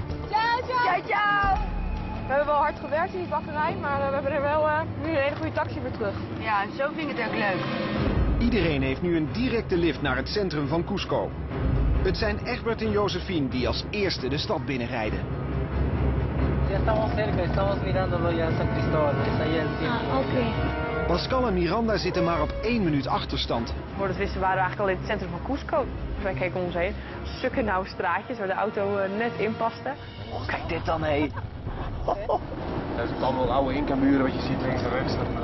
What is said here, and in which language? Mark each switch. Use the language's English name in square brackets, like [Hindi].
[Italian] Ciao, ciao. [Dutch] We hebben wel hard gewerkt in die bakkerij, maar we hebben er wel nu een hele goede taxi voor terug. Ja, en zo vind ik het ook leuk. Iedereen heeft nu een directe lift naar het centrum van Cusco. Het zijn Egbert en Josephine die als eerste de stad binnenrijden. [Spanish] Ya estamos cerca, estamos mirándolo ya en San Cristóbal, que está ahí encima. [English] Ah, okay. [Dutch] Pascal en Miranda zitten maar op 1 minuut achterstand. Voor dat wisten waren we eigenlijk al in het centrum van Cusco. Wij keken om ons heen. Sukken nauwe straatjes waar de auto net in paste. Oh, kijk dit dan, hé. Dat is allemaal oude Inca-muren wat je ziet links en rechts.